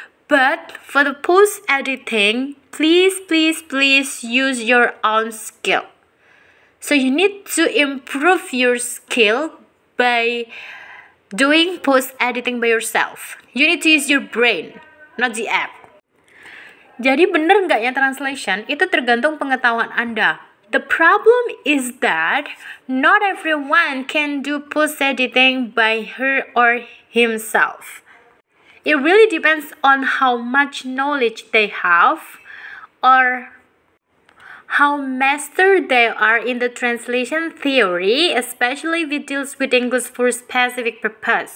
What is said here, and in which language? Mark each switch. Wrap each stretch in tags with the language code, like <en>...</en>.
<en>But for the post editing, please use your own skill. So you need to improve your skill by doing post editing by yourself. You need to use your brain, not the app.</en> <id>Jadi benar enggaknya translation itu tergantung pengetahuan Anda.</id> <en>The problem is that not everyone can do post editing by her or himself. It really depends on how much knowledge they have or how master they are in the translation theory, especially if it deals with English for specific purpose.</en>